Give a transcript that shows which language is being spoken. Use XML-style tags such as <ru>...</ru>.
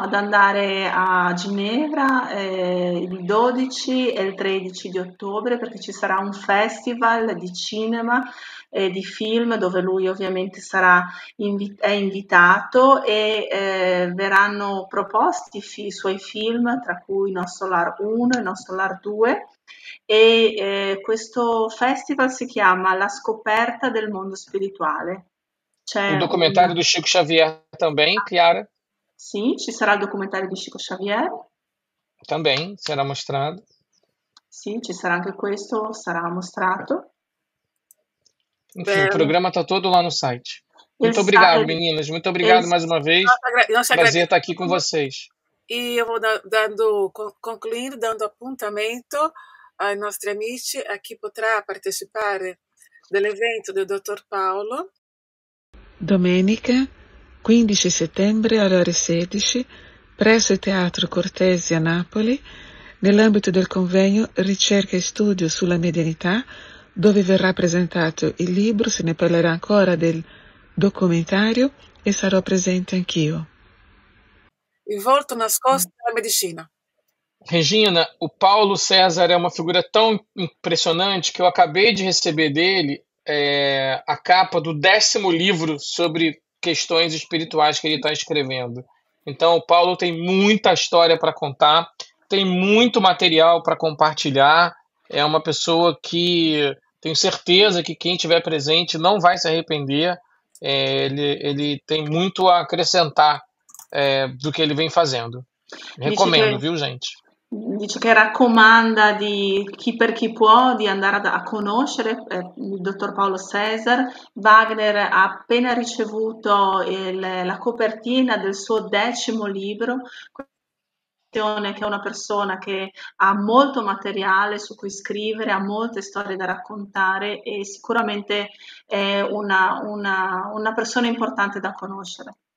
<it>Ad andare a Ginevra, il 12 e il 13 di ottobre, perché ci sarà un festival di cinema e di film dove lui ovviamente sarà è invitato e verranno proposti i suoi film, tra cui Nosso Lar 1 e Nosso Lar 2. E questo festival si chiama La scoperta del mondo spirituale.</it> <pt>O</pt> <it>C'è un</it> <pt>documentário do Chico Xavier também, Chiara.</pt> <it>Sim, ci sarà il documentario di Chico Xavier.</it> <pt>Também será mostrado.</pt> <it>Sì, ci sarà anche questo, sarà mostrato.</it> <pt>Enfim, o</pt> <it>Bello.</it> <pt>programa está todo lá no site.</pt> <it>Il</it> <pt>Muito obrigado, meninas. Muito obrigado mais uma vez.</pt> <it>nostro</it> <pt>Prazer estar aqui com</pt> <it>agradecimento.</it> <pt>vocês.</pt> <it>E io vado dando concluindo, dando appuntamento ai nostri amici a chi potrà partecipare dell'evento del dottor Paolo. Domenica 15 settembre alle ore 16 presso il Teatro Cortesi a Napoli, nell'ambito del convegno Ricerca e Studio sulla Medianità, dove verrà presentato il libro, se ne parlerà ancora del documentario e sarò presente anch'io. Il volto nascosto della medicina.</it> <pt>Regina, o Paulo César é uma figura tão impressionante que eu acabei de receber dele. A capa do 10º livro sobre questões espirituais que ele está escrevendo. Então, o Paulo tem muita história para contar, tem muito material para compartilhar. É uma pessoa que tenho certeza que quem tiver presente não vai se arrepender. Ele tem muito a acrescentar, do que ele vem fazendo.</pt> <it>Dice</it> <pt>Recomendo, viu, gente?</pt> <it>che raccomanda di chi per chi può di andare a conoscere il dottor Paolo César. Wagner ha appena ricevuto la copertina del suo decimo libro. Che è una persona che ha molto materiale su cui scrivere, ha molte storie da raccontare e sicuramente è una persona importante da conoscere.</it>